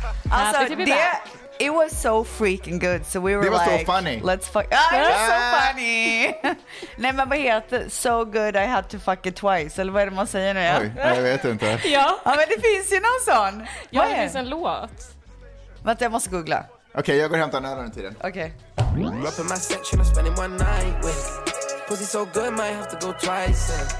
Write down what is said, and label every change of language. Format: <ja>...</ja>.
<en>Alltså, it was so freaking good. So we were</en> <sv>det var</sv> <en>like, so funny. Let's fuck. Ah, it was so funny.</en> <sv>Nej, men vad heter</sv> <en>so good I had to fuck it twice.</en> <sv>Eller vad är det man säger nu? Jag vet inte. Ja, men det finns ju någon sån. Ja, det finns en låt. Vänta, jag måste googla. Okej, okay, jag går och hämtar den här under tiden. Okej.</sv> <en>Wrapping my section, I'm spending one night with. Cause it's so good, might have to go twice.</en>